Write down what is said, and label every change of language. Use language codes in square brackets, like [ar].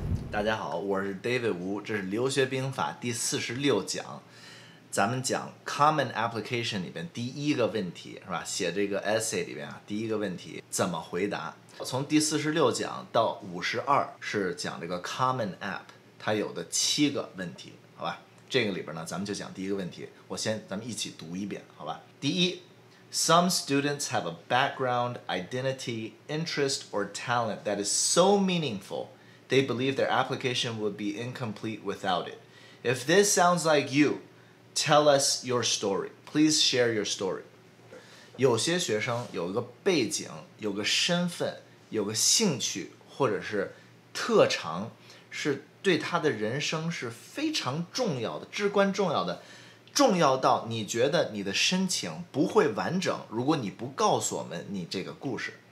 [zh] 大家好，我是 David Wu，这是《留学兵法》第46讲，咱们讲 Common Application 里边第一个问题是吧？写这个 essay 里边啊，第一个问题怎么回答？从第46讲到52是讲这个 Common App 它有的7个问题，好吧？这个里边呢，咱们就讲第一个问题，咱们一起读一遍，好吧？ [en] 第一，Some students have a background, identity, interest, or talent that is so meaningful. They believe their application would be incomplete without it. If this sounds like you, tell us your story. Please share your story. [zh] 有些学生有一个背景、有个身份、有个兴趣或者是特长，是对他的人生是非常重要的、至关重要的，重要到你觉得你的申请不会完整，如果你不告诉我们你这个故事。